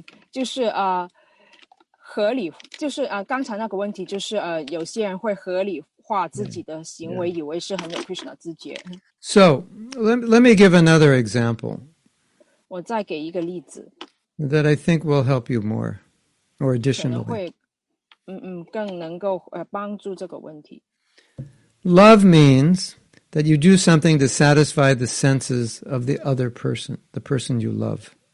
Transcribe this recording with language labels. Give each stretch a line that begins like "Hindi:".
Chinese: 就是合理，就是刚才那个问题，就是有些人会合理化自己的行为，以为是很有Krishna自觉。So,
English: let me give another example.
Chinese: 我再给一个例子。That
English: I think will help you more, or additionally.
Chinese: 可能会更能够帮助这个问题。
English: Love means that you do something to satisfy the senses of the other person, the person you love.